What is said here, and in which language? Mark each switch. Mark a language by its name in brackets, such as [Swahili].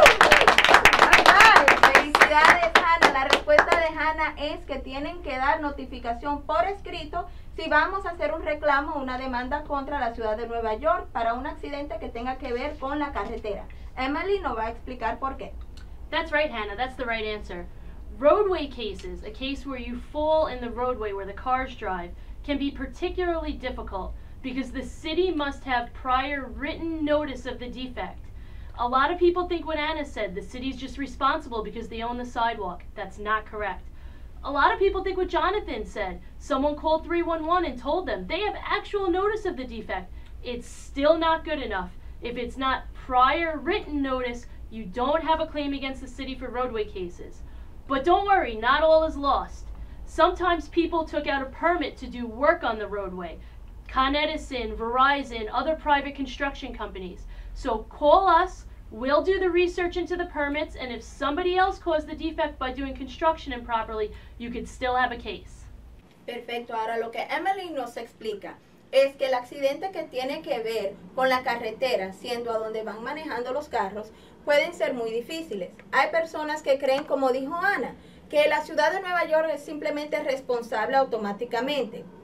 [Spanish] Felicidades, Hannah. La respuesta de Hannah es que tienen que dar notificación por escrito si vamos a hacer un reclamo o una demanda contra la ciudad de Nueva York para un accidente que tenga que ver con la carretera. Emily nos va a explicar por qué. [English] That's right, Hannah. That's the right answer. Roadway cases, a case where you fall in the roadway where the cars drive, can be particularly difficult because the city must have prior written notice of the defect. A lot of people think what Anna said, the city's just responsible because they own the sidewalk. That's not correct. A lot of people think what Jonathan said, someone called 311 and told them they have actual notice of the defect. It's still not good enough. If it's not prior written notice, you don't have a claim against the city for roadway cases. But don't worry, not all is lost. Sometimes people took out a permit to do work on the roadway. Con Edison, Verizon, other private construction companies. So call us, We'll do the research into the permits, and if somebody else caused the defect by doing construction improperly, you could still have a case. [Spanish] Perfecto. Ahora lo que Emily nos explica es que el accidente que tiene que ver con la carretera, siendo a donde van manejando los carros, pueden ser muy difíciles. Hay personas que creen, como dijo Ana, que la ciudad de Nueva York es simplemente responsable automáticamente.